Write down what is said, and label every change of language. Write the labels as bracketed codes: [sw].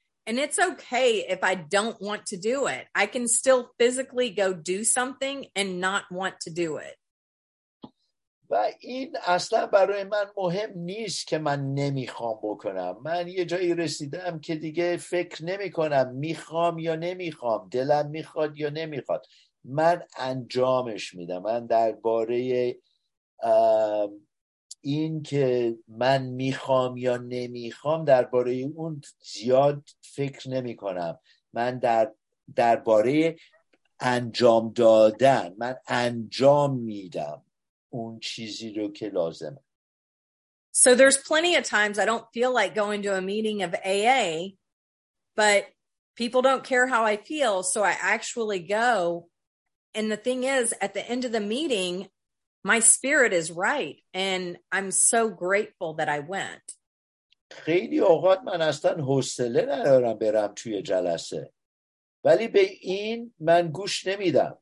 [en] And it's okay if I don't want to do it. I can still physically go do something and not want to do it. [fa] و این اصلا برای من مهم نیست که من نمیخوام بکنم. من یه جایی رسیدم که دیگه فکر نمی کنم میخوام یا نمیخوام، دلم میخواد یا نمیخواد. من انجامش میدم. من درباره این که من میخوام یا نمیخوام درباره اون زیاد فکر نمی کنم. من درباره انجام دادن، من انجام میدم اون چیزی رو که لازمه. [en] So there's plenty of times I don't feel like going to a meeting of AA, but people don't care how I feel, so I actually go. And the thing is, at the end of the meeting, my spirit is right, and I'm so grateful that I went. [fa] خیلی اوقات من اصلا حوصله ندارم برم توی جلسه، ولی به این من گوش نمیدم.